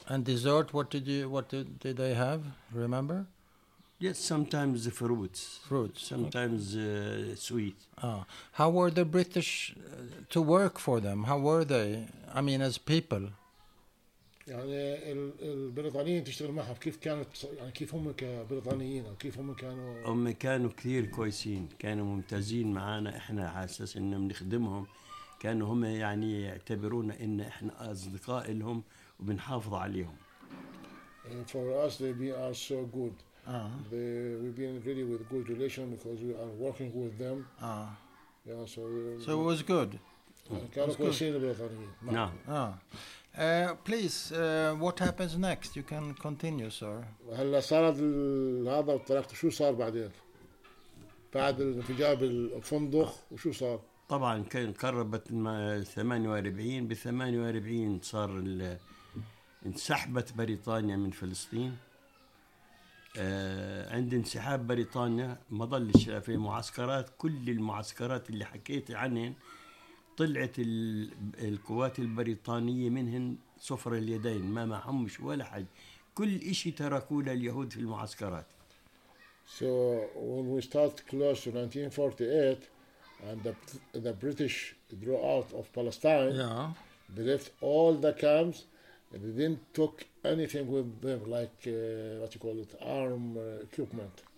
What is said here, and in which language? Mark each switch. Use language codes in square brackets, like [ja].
[en] And dessert, what did you did they have? Remember? Yes, sometimes the fruits. Fruits. Sometimes sweet. Ah. How were the British to work for them? How were they, I mean, as people? [ar] يعني البريطانيين تشتغل معها كيف كانت يعني كيف هم كبريطانيين أو كيف هم كانوا هم كانوا كثير كويسين كانوا ممتازين معنا إحنا على أساس إن بنخدمهم كانوا هم يعني يعتبرونا إن إحنا أصدقاء لهم وبنحافظ عليهم. [en] And for us they are so good. They we've been really with good relation because we are working with them. Yeah, so so it was good. [ar] كانوا كويسين البريطانيين. نعم. [en] Please, what happens next? You can continue, sir. [ar] هلا صار هذا وطلعت شو صار بعدين؟ بعد الانفجار بالفندق وشو صار؟ طبعاً كان قربت 48 ب48 صار انسحبت بريطانيا من فلسطين. عند انسحاب بريطانيا ما ظلش في معسكرات كل المعسكرات اللي حكيت عنهن. طلعت القوات البريطانية منهن صفر اليدين ما معهمش ولا حاجة كل إشي تركوه لليهود في المعسكرات. [en] So when we start close to 1948 and the British drew out of Palestine, they left all the camps and they didn't took anything with them like what you call it arm equipment.